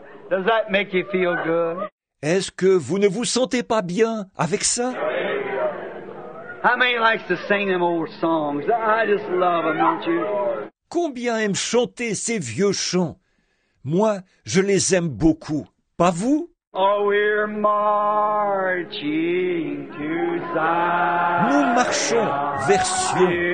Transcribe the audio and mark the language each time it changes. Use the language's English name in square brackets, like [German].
[English] Does that make you feel good? [French] Est-ce que vous ne vous sentez pas bien avec ça? [English] How many likes to sing them old songs? I just love them, don't you? [French] Combien aiment chanter ces vieux chants? Moi, je les aime beaucoup. Pas vous? [English] Oh, we're marching to Zion. [French] Nous marchons vers Sion.